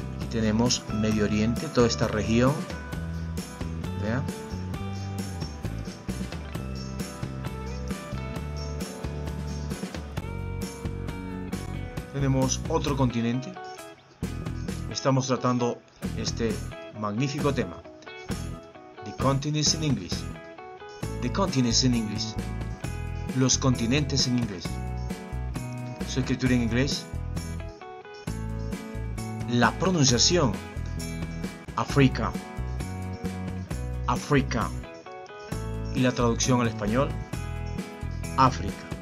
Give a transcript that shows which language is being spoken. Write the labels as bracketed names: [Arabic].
[Spanish] Tenemos Medio Oriente, toda esta región. ¿Ya? Tenemos otro continente. Estamos tratando este magnífico tema. [English] The continents in English. The continents in English. [Spanish] Los continentes en inglés. Su escritura en inglés. La pronunciación, África, y la traducción al español, África.